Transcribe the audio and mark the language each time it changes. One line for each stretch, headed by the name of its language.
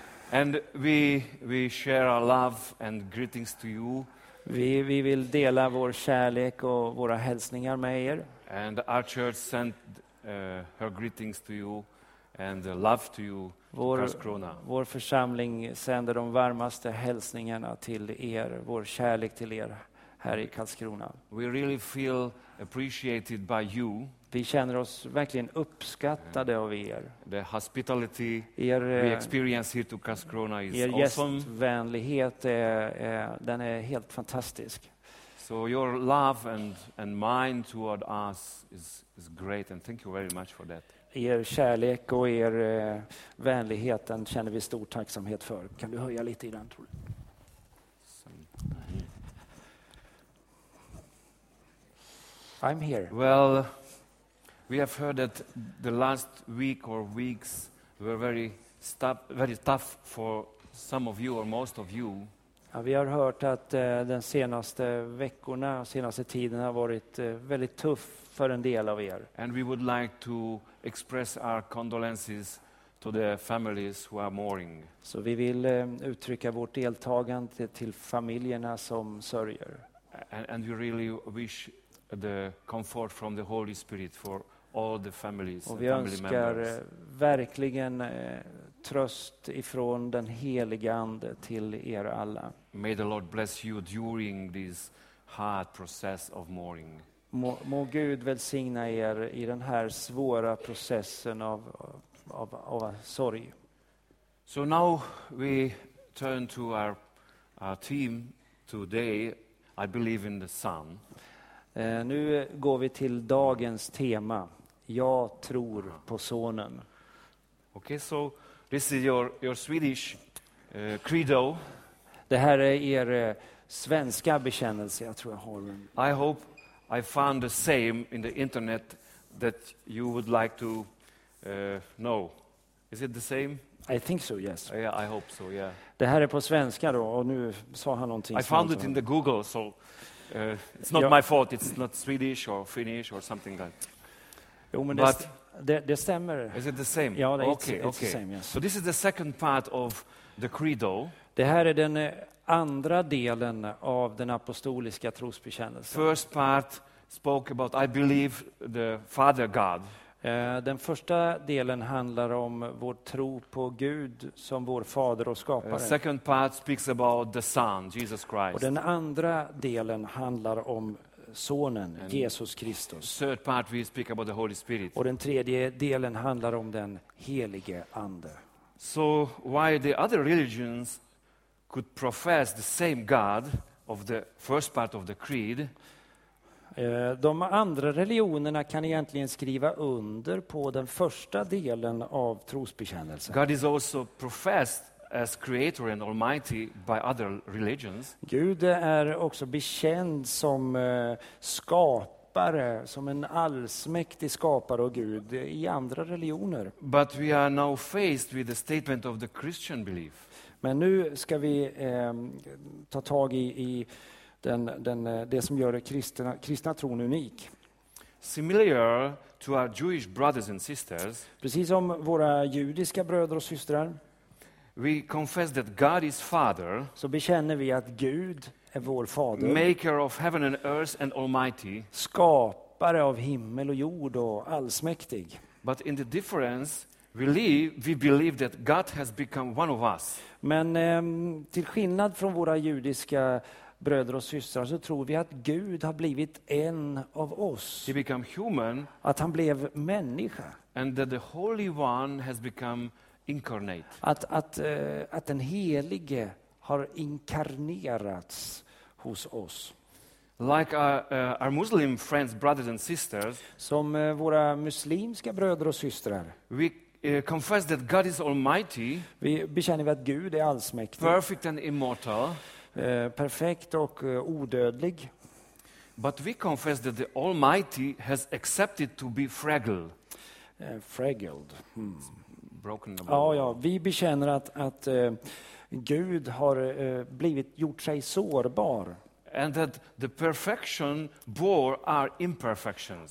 English: And we share our love and greetings to you.
Swedish: Vi vill dela vår kärlek och våra hälsningar med er.
English: And our church sent her greetings to you and love to you.
Swedish: Vår församling sänder de varmaste hälsningarna till er, vår kärlek till er här i Karlskrona.
English: We really feel appreciated by you.
Swedish: Vi känner oss verkligen uppskattade av er.
English: The hospitality we experience here to Karlskrona is er awesome.
Swedish: Gästvänlighet den är helt fantastisk.
English: So your love and mine toward us is great, and thank you very much for that.
Swedish: Er kärlek och er vänlighet känner vi stor tacksamhet för. Kan du höja lite i den, tror du?
English: I'm here. Well, we have heard that the last week or weeks were very tough for some of you or most of you.
Swedish: Ja, vi har hört att den senaste veckorna, senaste tiden har varit väldigt tuff för en del av er.
English: And we would like to express our condolences to the families who are mourning.
Swedish: Så vi vill uttrycka vårt deltagande till familjerna som sörjer.
English: And we really wish the comfort from the Holy Spirit for all the families and family members.
Swedish: Och vi önskar verkligen tröst ifrån den helige ande till er alla.
English: May the Lord bless you during this hard process of mourning.
Swedish: Må Gud välsigna er i den här svåra processen av sorg.
English: So now we turn to our team today. I believe in the sun.
Swedish: Nu går vi till dagens tema. Jag tror på sonen.
English: Okay, so this is your Swedish credo.
Swedish: Det här är er svenska bekännelse, jag tror jag har den.
English: I hope I found the same in the internet that you would like to know. Is it the same? I think so, yes. Yeah, I hope so, yeah.
Swedish: Det här är på svenska då, och nu sa han någonting.
English: I found it in the Google, so it's not my fault. It's not Swedish or Finnish or something like that.
Swedish: Jo, men
English: but
Swedish: det stämmer.
English: Is it the same?
Swedish: Ja, det,
English: it's the same, yes. So this is the second part of the credo.
Swedish: Det här är den andra delen av den apostoliska trosbekännelsen.
English: First part spoke about I believe the Father God.
Swedish: Den första delen handlar om vår tro på Gud som vår fader och skapare.
English: Second part speaks about the Son, Jesus Christ.
Swedish: Och den andra delen handlar om sonen Jesus Kristus.
English: Third part we speak about the Holy Spirit.
Swedish: Och den tredje delen handlar om den helige ande.
English: So why the other religions could profess the same God of the first part of the creed?
Swedish: De andra religionerna kan egentligen skriva under på den första delen av trosbekännelsen.
English: God is also professed as creator and almighty by other religions.
Swedish: Gud är också bekänd som skapare, som en allsmäktig skapare och Gud i andra religioner.
English: But we are now faced with the statement of the Christian belief.
Swedish: Men nu ska vi ta tag i den det som gör kristna tron unik.
English: Similar to our Jewish brothers and sisters.
Swedish: Precis som våra judiska bröder och systrar.
English: We confess that God is Father.
Swedish: Så bekänner vi att Gud är vår fader.
English: Maker of heaven and earth and almighty.
Swedish: Skapare av himmel och jord och allsmäktig.
English: But in the difference we believe that God has become one of us.
Swedish: Men till skillnad från våra judiska bröder och systrar så tror vi att Gud har blivit en av oss.
English: He became human.
Swedish: Att han blev människa.
English: And that the Holy One has become incarnate.
Swedish: Att den helige har inkarnerats hos oss.
English: Like our Muslim friends, brothers and sisters.
Swedish: Som våra muslimska bröder och systrar.
English: We confess that God is almighty.
Swedish: Vi bekänner att Gud är allsmäktig.
English: Perfect and immortal.
Swedish: perfekt och odödlig.
English: But we confess that the Almighty has accepted to be fragile. Fragled. Hmm. Broken.
Swedish: Ja, ja, vi bekänner att Gud har blivit gjort sig sårbar.
English: And that the perfection bore our imperfections.